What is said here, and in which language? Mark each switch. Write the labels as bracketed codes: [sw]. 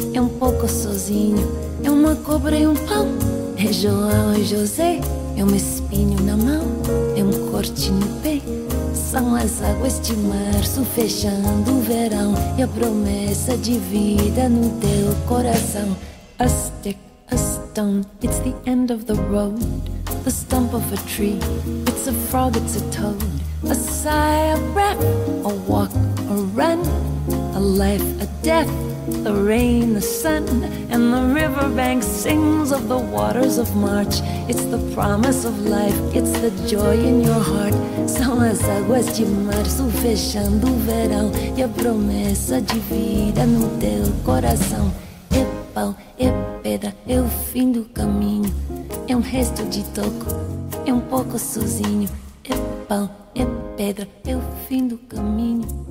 [pt] É um pouco sozinho, é uma cobra e um pão. É João e José, é um espinho na mão, é um corte no pé. São as águas de março fechando o verão e a promessa de vida no teu coração. [en] A stick, a stone, it's the end of the road. The stump of a tree, it's a frog, it's a toad. A sigh, a breath, a walk, a run. A life, a death, the rain, the sun. And the riverbank sings of the waters of March. It's the promise of life, it's the joy in your heart. [pt] São as águas de março fechando o verão e a promessa de vida no teu coração. É pau, é pedra, é o fim do caminho. É um resto de toco, é um pouco sozinho. É pau, é pedra, é o fim do caminho.